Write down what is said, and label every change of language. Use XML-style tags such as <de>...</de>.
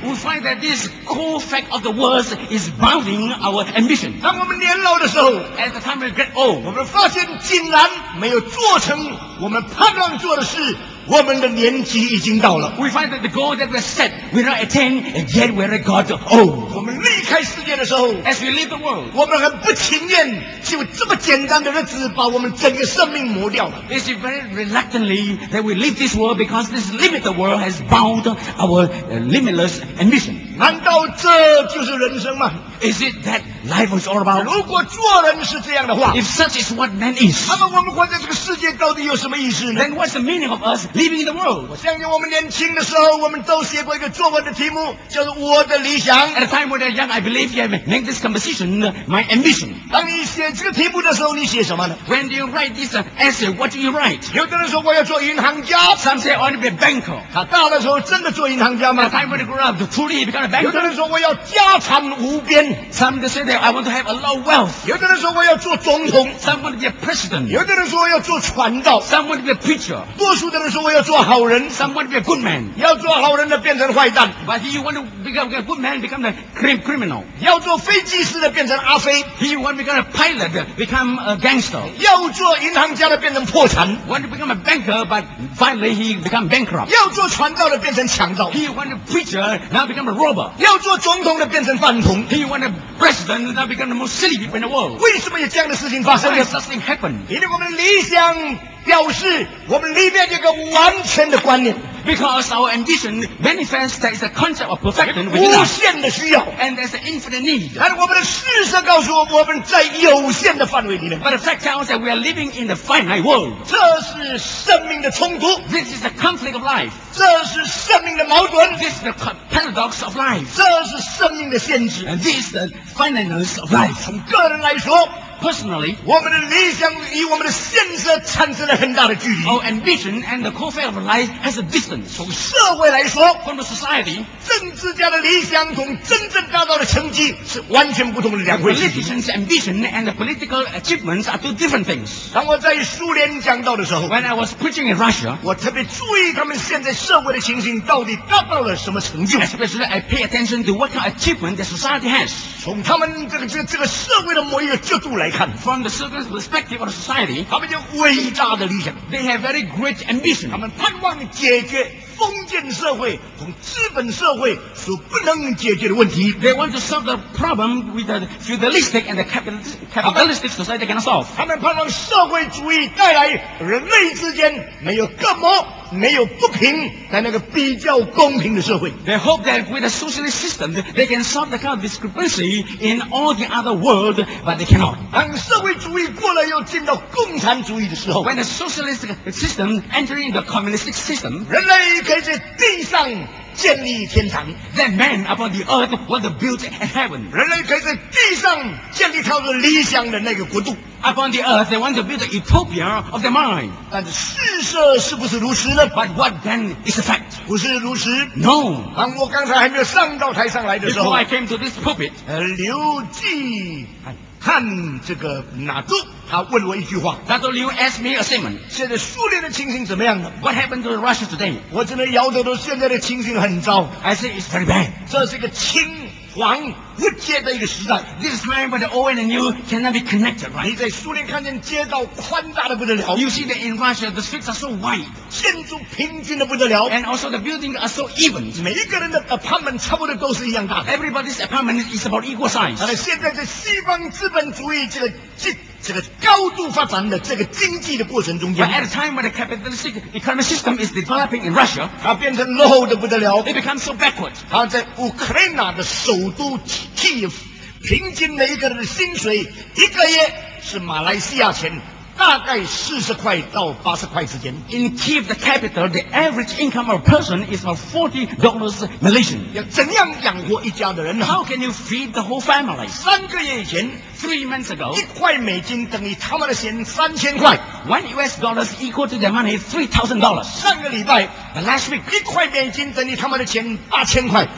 <en>We find that this cool fact of the world is bounding our ambition.</en> <zh>当我们年老的时候，</zh> <en>At the time we get old，</en> <zh>我们发现竟然没有做成我们盼望做的事，我们的年纪已经到了。</zh> <en>We find that the goal that we set we not attain and yet we are God old.</en> <zh>我们离开世界的时候，</zh> <en>As we leave the world，</en> <zh>我们很不情愿就这么简单的日子把我们整个生命磨掉了。</zh> <en>Is it very reluctantly that we leave this world because this limited world has bound our limitless ambition？</en> <zh>难道这就是人生吗？</zh> <en>Is it that life is all about？</en> <zh>如果做人是这样的话，</zh> <en>If such is what man is，</en> <zh>那么我们活在这个世界到底有什么意思呢？</zh> <en>Then what's the meaning of us living in the world？</en> <zh>我相信我们年轻的时候我们都写过一个作文的题目叫做我的理想。</zh> <en>At a time when I was young I believe you have made this composition my ambition。</en> <zh>当你写这个题目的时候你写什么呢？</zh> <en>When do you write this essay what do you write？</en> <zh>有的人说我要做银行家。</zh> <en>Some say I want to be a banker。</en> <zh>他大的时候真的做银行家吗？</zh> <en>At a time when I grew up truly he became a banker。</en> <zh>有的人说我要家产无边。</zh> <en>Some say that I want to have a lot of wealth。</en> <zh>有的人说我要做总统。</zh> <en>Some want to be a president。</en> <zh>有的人说我要做传道。</zh> <en>Some want to be a preacher。</en> <zh>多数的人说我要做好人。</zh> <en>Some want to be a good man。</en> <zh>要做好人的变成坏蛋。</zh> <en>But you want to become a good man become a criminal。</en> <zh>要做飞机师的变成阿飞。</zh> <en>He want to become a pilot become a gangster。</en> <zh>要做银行家的变成破产。</zh> <en>Want to become a banker but finally he become bankrupt。</en> <zh>要做传道的变成强盗。</zh> <en>He want to preacher now become a robber。</en> <zh>要做总统的变成饭桶。</zh> <en>He want to president now become the most silly people in the world。</en> <zh>为什么有这样的事情发生？</zh> <en>Why does such thing happen？</en> <zh>因为我们理想表示我们里面有一个完全的观念。</zh> <en>Because our ambition manifests that is a concept of perfection within</en> <zh>us. 无限的需要。</zh> <en>And there's an infinite need.</en> <zh>但我们的事实告诉我们我们在有限的范围里面。</zh> <en>But the fact tells that we are living in the finite world.</en> <zh>这是生命的冲突。</zh> <en>This is the conflict of life.</en> <zh>这是生命的矛盾。</zh> <en>This is the paradox of life.</en> <zh>这是生命的限制。</zh> <en>And this is the finiteness of life.</en> <zh>从个人来说</zh> <en>Personally,</en> <zh>我们的理想与我们的现实产生了很大的距离。</zh> <en>Our ambition and the core of life has a distance.</en> <zh>从社会来说</zh> <en>，from the society,</en> <zh>政治家的理想同真正达到的成绩是完全不同的两回事。</zh> <en>Politicians' ambition and the political achievements are two different things.</en> <zh>当我在苏联讲道的时候</zh> <en>，when I was preaching in Russia,</en> <zh>我特别注意他们现在社会的情形到底达到了什么成就。</zh> <en>Especially, I pay attention to what kind of achievement the society has.</en> <zh>从他们这个社会的某一个角度来。</zh> <en>From the certain perspective of the society,</en> <zh>他们有伟大的理想。</zh> <en>They have very great ambition.</en> <zh>他们盼望解决封建社会同资本社会所不能解决的问题。</zh> <en>They want to solve the problem with the feudalistic and the capitalistic society cannot solve.</en> <zh>他们盼望社会主义带来人类之间没有隔膜。没有不平在那个比较公平的社会。</zh> <en>They hope that with a socialist system, they can solve the kind of discrepancy in all the other world, but they cannot.</en> <zh>当社会主义过来又进到共产主义的时候</zh> <en>，When the socialist system entering the communist system,</en> <zh>人类该在地上建立天堂。</zh> <en>That man upon the earth was built in heaven.</en> <zh>人类该在地上建立他的理想的那个国度。</zh> <en>Upon the earth, they want to build the utopia of their mind.</en> <zh>但事实是不是如此呢</zh> <en>？But what then is the fact?</en> <zh>不是如此。</zh> <en>No.</en> <zh>当我刚才还没有上到台上来的时候</zh> <en>，Before I came to this pulpit,</en> <zh>刘继汉这个哪住？他问我一句话。</zh> <en>That Liu asked me a statement.</en> <zh>现在苏联的情形怎么样呢</zh> <en>？What happened to Russia today?</en> <zh>我只能摇头说现在的情形很糟。</zh> <en>I say it's very bad.</en> <zh>这是一个清黄不接的一个时代。</zh> <en>This is time where the old and the new cannot be connected, right?</en> <zh>你在苏联看见街道宽大的不得了。</zh> <en>You see that in Russia, the streets are so wide.</en> <zh>建筑平均的不得了。</zh> <en>And also the buildings are so even.</en> <zh>每一个人的 apartment 差不多都是一样大。</zh> <en>Everybody's apartment is about equal size.</en> <zh>但是现在在西方资本主义这个高度发展的这个经济的过程中间</zh> <en>But at a time when the capitalistic economic system is developing in Russia</en> <zh>它变成落后的不得了</zh> <en>It becomes so backwards</en> <zh>它在 Ukraine 的首都 Kiev 平均每一个人的薪水一个月是马来西亚钱大概40块到80块之间</zh> <en>In Kiev the capital the average income of a person is about $40 Malaysian</en> <zh>要怎样养活一家的人呢</zh> <en>How can you feed the whole family</en> <zh>三个月以前</zh> <en>Three months ago,</en> <zh>一块美金等于他们的钱三千块。</zh> <en>One U.S. dollars equal to their money $3,000.</en> <zh>上个礼拜</zh> <en>，the last week,</en> <zh>一块美金等于他们的钱八千块。</zh>